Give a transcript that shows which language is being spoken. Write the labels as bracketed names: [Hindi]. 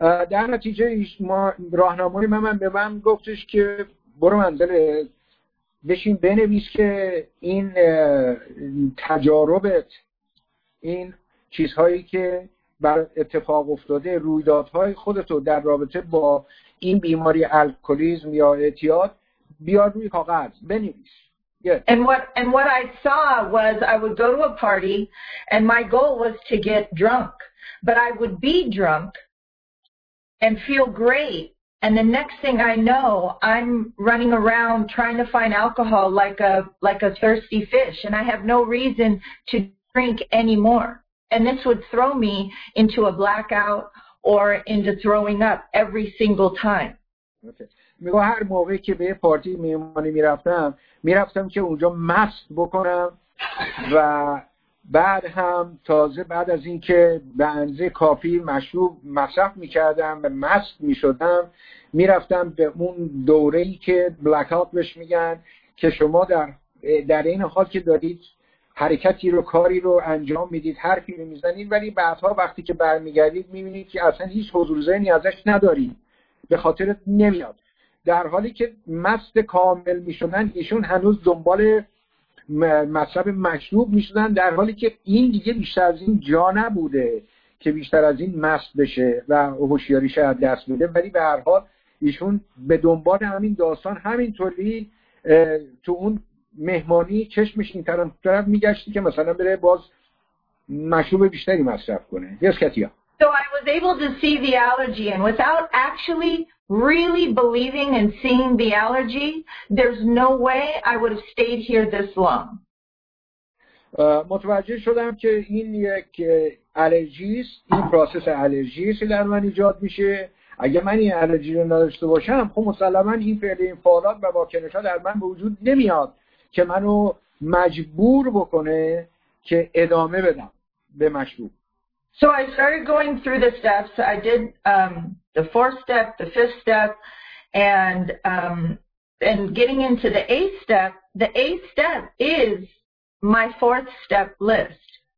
[Persian] در نتیجه راهنمای من به من گفتش که برو مندل بشین بنویس که این تجاربت، این چیزهایی که بر اتفاق افتاده، رویدادهای خودتو در رابطه با این بیماری الکلیزم یا اعتیاد بیار روی کاغذ بنویس. [English] And what I saw was I would go to a party and my goal was to get drunk, but I would be drunk and feel great, and the next thing I know I'm running around trying to find alcohol like a thirsty fish, and I have no reason to drink anymore. And this would throw me into a blackout or into throwing up every single time. [Persian] میگم هر موقعی که به پارتی مهمانی میرفتم که اونجا مست بکنم و بعد هم تازه بعد از اینکه به اندازه کافی مشروب مصرف میکردم و مست میشدم، میرفتم به اون دوره‌ای که بلک‌آوت بهش میگن، که شما در این حال که دارید حرکتی رو، کاری رو انجام میدید، حرفی رو میزنید، ولی بعدها وقتی که برمیگردید میبینید که اصلا هیچ حضور ذهنی ازش نداری، به خاطرت نمیاد. در حالی که مست کامل میشدن ایشون هنوز دنبال مصرف مشروب میشدن، در حالی که این دیگه بیشتر از این جا نبوده که بیشتر از این مست بشه و هوشیاریش از دست بده. ولی به هر حال ایشون به دنبال همین داستان همینطوری تو اون مهمانی چشمش این طرف میگشتی که مثلا بره باز مشروب بیشتری مصرف کنه. [English] Yes Katya. So I was able to see the allergy, and without actually really believing and seeing the allergy, there's no way I would have stayed here this long. [Persian] متوجه شدم که این یک آلرژی است، این پروسس آلرژی است که در من ایجاد میشه. اگه من این آلرژی رو نداشته باشم، خب مسلماً این فعل انفعالات و واکنش‌ها در من به وجود نمیاد که منو مجبور بکنه که ادامه بدم به مشروب. [English] So I started going through the steps. I did the fourth step, the fifth step, and getting into the eighth step. The eighth step is my fourth step list.